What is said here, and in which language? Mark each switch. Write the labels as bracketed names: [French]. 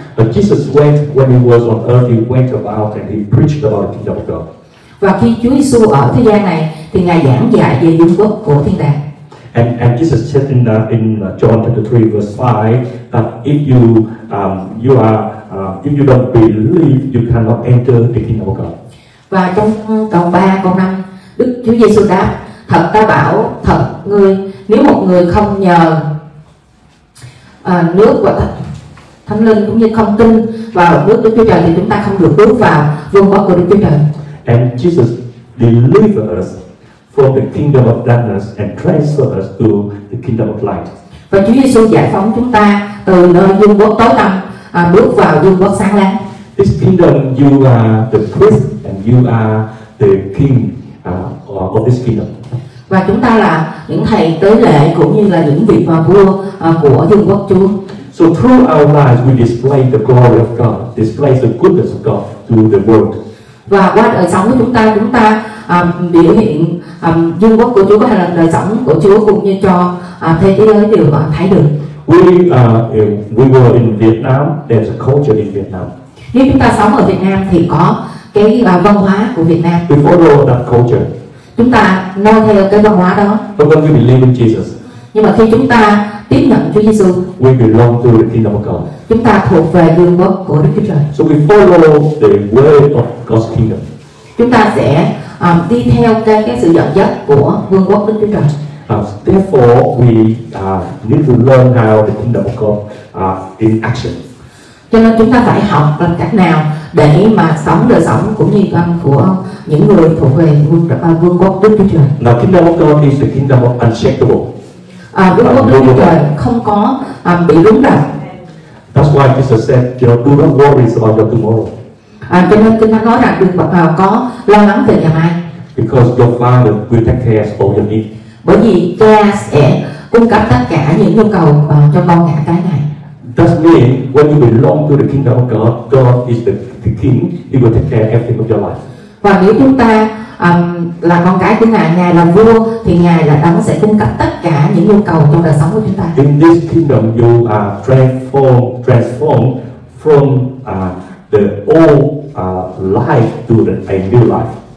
[English] But Jesus went when he was on earth, he went about and he preached about the kingdom of God. [Vietnamese] Và khi Chúa Giêsu ở thế gian này thì Ngài giảng dạy về vương quốc của thiên đàng. [English] And Jesus said in John chapter 3 verse 5 that if you you are if you don't believe you cannot enter the kingdom of God. [Vietnamese] Và trong câu 3 câu 5 Đức Chúa Giêsu đáp: Thật ta bảo thật ngươi, nếu một người không nhờ nước và Thánh Linh cũng như không tin vào nước Đức Chúa Trời thì chúng ta không được bước vào vương quốc của Đức Chúa Trời. [English] And Jesus delivered us from the kingdom of darkness and transferred us to the kingdom of light. [Vietnamese] Và Chúa Giêsu giải phóng chúng ta từ nơi vương quốc tối tăm bước vào vương quốc sáng láng. [English] This kingdom, you are the priest and you are the king of this kingdom. [Vietnamese] Và chúng ta là những thầy tế lễ cũng như là những vị vua của vương quốc Chúa. [English] So through our lives we display the glory of God, display the goodness of God to the world. [Vietnamese] Và qua đời sống của chúng ta biểu hiện vương quốc của Chúa hay là đời sống của Chúa cũng như cho thế giới đều thấy được. [English] We were in Vietnam, there's a culture in Vietnam. [Vietnamese] Nếu chúng ta sống ở Việt Nam thì có cái văn hóa của Việt Nam. [English] We follow that culture. [Vietnamese] Chúng ta noi theo cái văn hóa đó. [English] But when we believe in Jesus. [Vietnamese] Nhưng mà khi chúng ta tiếp nhận Chúa Giêsu, [English] we belong to the kingdom of God. [Vietnamese] Chúng ta thuộc về vương quốc của Đức Chúa Trời. [English] So we follow the way of God's kingdom. [Vietnamese] Chúng ta sẽ đi theo cái sự dẫn dắt của vương quốc Đức Chúa Trời. [English] Therefore, we need to learn how the kingdom of God in action. [Vietnamese] Cho nên chúng ta phải học làm cách nào để mà sống đời sống cũng như của những người thuộc về vương quốc Đức Chúa Trời. [English] Now, kingdom of God is the kingdom of unshakable. [Vietnamese] Vương quốc Đức Chúa Trời không có bị rúng động. [English] That's why Jesus said, you know, do not worry about your tomorrow. [Vietnamese] Cho nên Kinh Thánh nói rằng đừng bao giờ có lo lắng về ngày mai. [English] Because your Father will take care of your need. [Vietnamese] Bởi vì Cha sẽ cung cấp tất cả những nhu cầu cho con ngã cái này. [English] That means when you belong to the kingdom of God, God is the king. He will take care of everything of your life. [Vietnamese] Và nếu chúng ta là con cái của Ngài, Ngài là vua thì Ngài là đấng sẽ cung cấp tất cả những nhu cầu trong đời sống của chúng ta. [English] In this kingdom, you are transformed from the old life to the new life.